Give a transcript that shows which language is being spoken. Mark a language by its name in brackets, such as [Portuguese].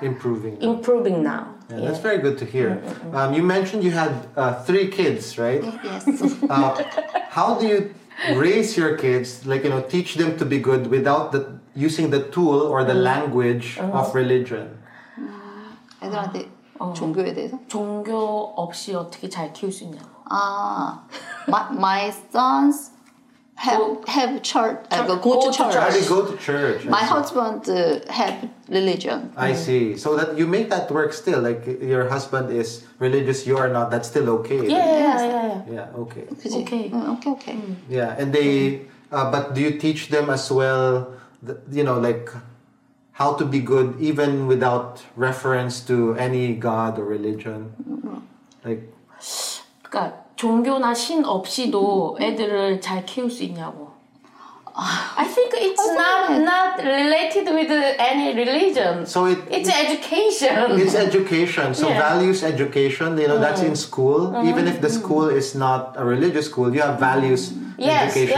[English] improving. Improving now. Yeah, that's very good to hear. You mentioned you had three kids, right? Yes. How do you raise your kids, like, you know, teach them to be good without the using the tool or the language of religion? [Korean] 애들한테 종교에 대해서? 종교 없이 어떻게 잘 키울 수 있냐? [English] 아, my sons have church, go to church. My husband have religion. I see. So that you make that work still, like your husband is religious, you are not. That's still okay. Yeah, okay. Yeah, and they, but do you teach them as well? You know, like how to be good even without reference to any god or religion, like. God. [Korean] 종교나 신 없이도 애들을 잘 키울 수 있냐고. [English] I think it's not related with any religion. So it's education. It's education. So values education, you know, that's in school. Even if the school is not a religious school, you have values education